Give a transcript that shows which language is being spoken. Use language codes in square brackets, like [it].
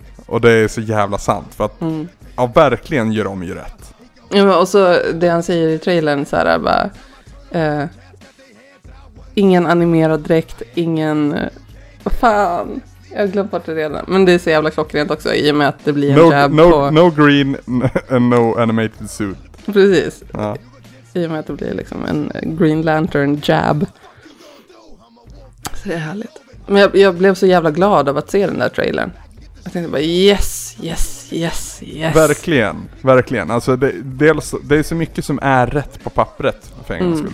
[sv] Och det är så jävla sant, för att ja, verkligen gör de ju rätt. Ja, men och så det han säger i trailern så här, bara ingen animerad dräkt, ingen fan, jag glömde bort det redan. Men det är så jävla klockrent också i och med att det blir en jab på... [en] No green and no animated suit. [sv] Precis. Ja. I och med att det blir liksom en Green Lantern jab. Så det är härligt. Men jag blev så jävla glad av att se den där trailern. Jag tänkte bara yes, yes, yes, yes. Verkligen, verkligen. Alltså det är så mycket som är rätt på pappret för engelska skull.